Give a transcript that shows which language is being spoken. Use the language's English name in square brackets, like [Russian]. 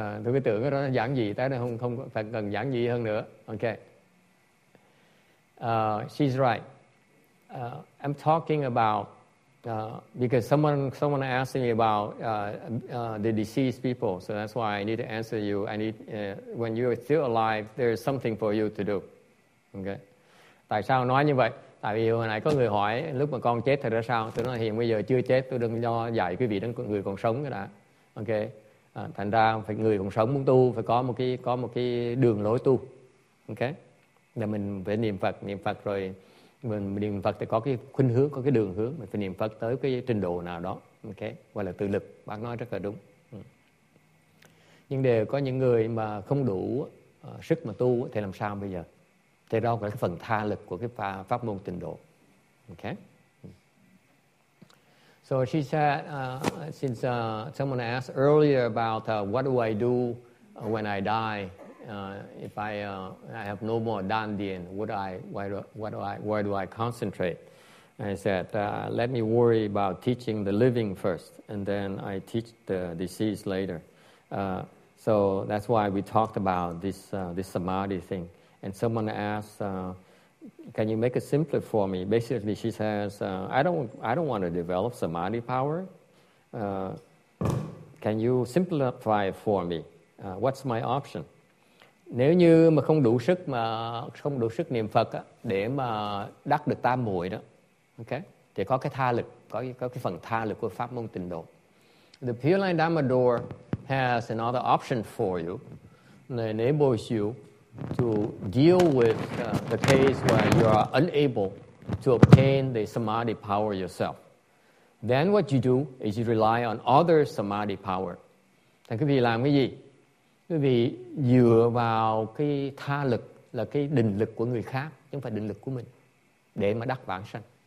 [Vietnamese] Tôi cứ tưởng nó giản dị, tới nó không phải cần giản dị hơn nữa. [English] Okay. She's right. I'm talking about because someone asked me about the deceased people, so that's why I need to answer you. I need when you are still alive, there is something for you to do. [Vietnamese] Okay. Tại sao nói như vậy? Tại vì hồi nãy có người hỏi lúc mà con chết thì ra sao? Tôi nói hiện bây giờ chưa chết, tôi đang dạy quý vị đến người còn sống cái đã. Okay. Thành ra phải người còn sống muốn tu phải có một cái đường lối tu. Okay. Là mình phải niệm Phật rồi. Mình niệm Phật thì có cái khuynh hướng, có cái đường hướng. Mình phải niệm Phật tới cái trình độ nào đó. Ok, gọi là tự lực. Bác nói rất là đúng. Nhưng đều có những người mà không đủ sức mà tu thì làm sao bây giờ? Thì đó là cái phần tha lực của cái pháp môn tịnh độ. [English] Ok. So she said, since someone asked earlier about what do I do when I die? If I have no more dandian, where do I concentrate? And I said, let me worry about teaching the living first, and then I teach the deceased later. So that's why we talked about this samadhi thing. And someone asked, can you make it simpler for me? Basically, she says, I don't want to develop samadhi power. Can you simplify it for me? What's my option? [Vietnamese] Nếu như mà không đủ sức niệm Phật á, để mà đắc được tam muội đó, okay, thì có cái tha lực, có cái phần tha lực của pháp môn tịnh độ. [English] The Pure Land Dharma Door has another option for you that enables you to deal with the case where you are unable to obtain the samadhi power yourself. Then what you do is you rely on other samadhi power. [Vietnamese] Thì quý vị làm cái gì? Quý vị dựa vào cái tha lực là cái định lực của người khác, chứ không phải định lực của mình, để mà đắc vãng sanh.